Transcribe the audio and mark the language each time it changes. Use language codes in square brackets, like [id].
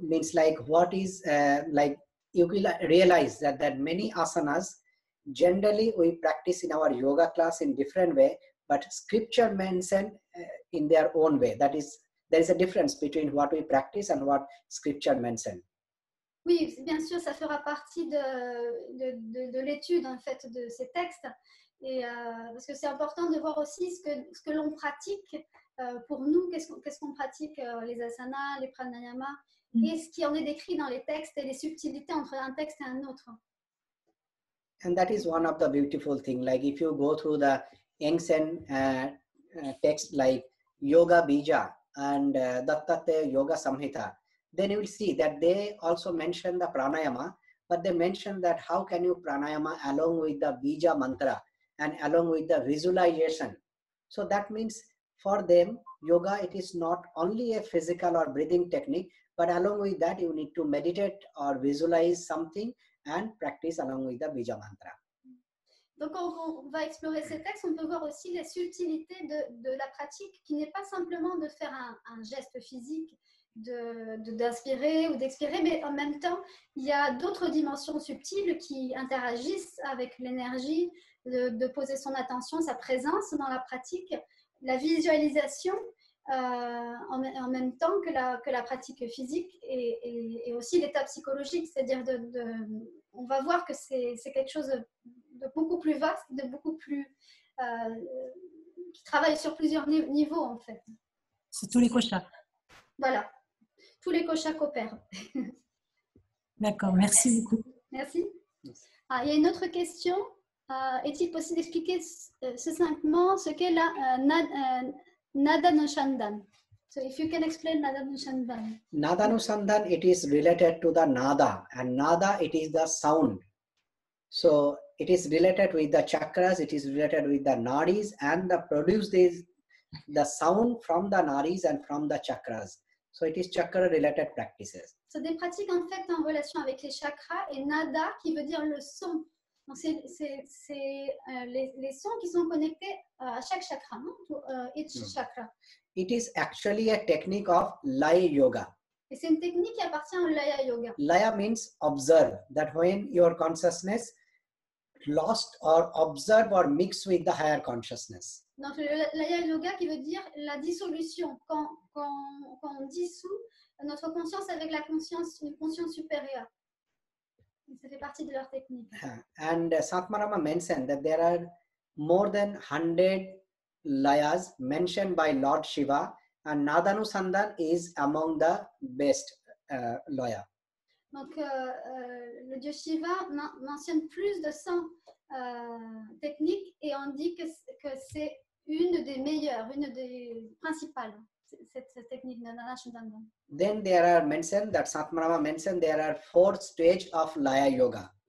[en] Means like what is, like you will realize that many asanas, generally, we practice in our yoga class in different way, but scripture mentioned in their own way. That is, there is a difference between what we practice and what scripture mentioned. [fr] Oui, bien sûr, ça fera partie de l'étude en fait de ces textes, et parce que c'est important de voir aussi ce que l'on pratique pour nous. Qu'est-ce qu'on pratique les asanas, les pranayamas, et ce qui en est décrit dans les textes et les subtilités entre un texte et un autre. [en] And that is one of the beautiful things. Like if you go through the ancient text like Yoga Bija and Dattatreya Yoga Samhita, then you will see that they also mention the pranayama, but they mention that how can you pranayama along with the Bija mantra and along with the visualization. So that means for them, yoga, it is not only a physical or breathing technique, but along with that, you need to meditate or visualize something and practice along with the Bija mantra. [fr] Donc on va explorer ces textes, on peut voir aussi la subtilité de la pratique qui n'est pas simplement de faire un geste physique, d'inspirer ou d'expirer, mais en même temps, il y a d'autres dimensions subtiles qui interagissent avec l'énergie de poser son attention, sa présence dans la pratique, la visualisation en même temps que la pratique physique et aussi l'état psychologique, c'est-à-dire on va voir que c'est quelque chose de beaucoup plus vaste, de beaucoup plus qui travaille sur plusieurs niveaux en fait. C'est tous les koshas. Voilà, tous les koshas coopèrent. D'accord, merci beaucoup. Merci. Ah, il y a une autre question. Est-il possible d'expliquer succinctement ce qu'est la Nadanushandhan? [en] So if you can explain Nadanushandhan. Nadanushandhan, it is related to the nada, and nada, it is the sound. So it is related with the chakras, it is related with the nadis, and the produce these the sound from the nadis and from the chakras. So it is chakra related practices. [fr] So des pratiques en fait en relation avec les chakras et nada qui veut dire le son. Donc c'est les sons qui sont connectés à chaque chakra, non? Chakra. [en] It is actually a technique of laya yoga. [fr] Et c'est une technique qui appartient au laya yoga. [en] Laya means observe, that when your consciousness lost or observe or mix with the higher consciousness. [fr] Donc le laya yoga qui veut dire la dissolution, quand on dissout notre conscience avec la conscience, une conscience supérieure. Ça fait partie de leur technique. [en] And Satmarama mentioned that there are more than 100 layas mentioned by Lord Shiva, and Nadanusandhan is among the best laya. [fr] Donc le dieu Shiva mentionne plus de 100 techniques et on dit que c'est une des meilleures, une des principales. Cette technique de Nadanusandhan. [en] Then there are mentioned that Satmarama mentioned there are 4 stages of laya yoga.